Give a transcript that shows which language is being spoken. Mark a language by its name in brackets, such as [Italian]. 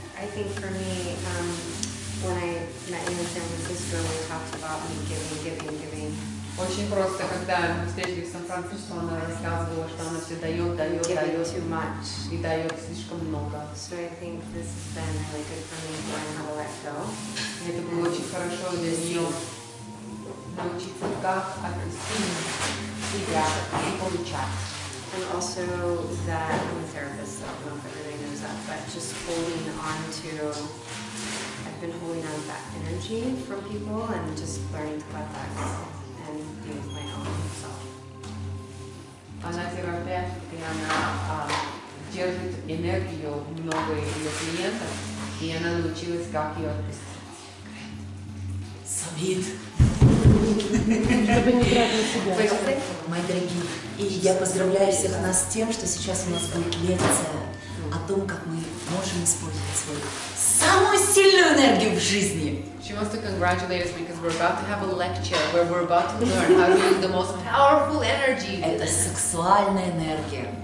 [English] I think for me, when I met you in San Francisco, we talked about me giving. [Russian] Очень просто, когда мы встретились в Сан-Франциско, она рассказывала, что она все дает [English] too much. [Russian] И дает слишком много. [English] So I think this has been really good for me to learn how to let go. [Russian] И это было очень хорошо для нее научиться как отпустить себя и получать. [English] And also that, I'm a therapist, so I don't know if everybody knows that, but just holding on to, I've been holding on to that energy from people and just learning to let that go and be with my own self. [Russian] Она терапевт, и она держит энергию много ее клиентов, и она научилась, как ее отпустить. Сабит! Чтобы не брать на себя. Спасибо. Мои дорогие, и я поздравляю всех нас с тем, что сейчас у нас будет лекция о том, как мы можем использовать свою самую сильную энергию в жизни. [English] She wants to congratulate us because we're about to have a lecture where we're about to learn how to use the most powerful energy. [Russian] Это сексуальная энергия.